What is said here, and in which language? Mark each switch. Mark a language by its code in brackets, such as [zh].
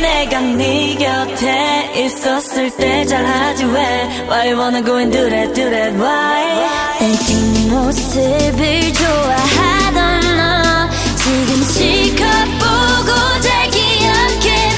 [ko] 내가 네 곁에 있었을 때 잘하지 왜. [en] Why you wanna go and do that, why. [ko] 내 모습을 좋아하던 너 지금 시컷 보고 잘 기억해.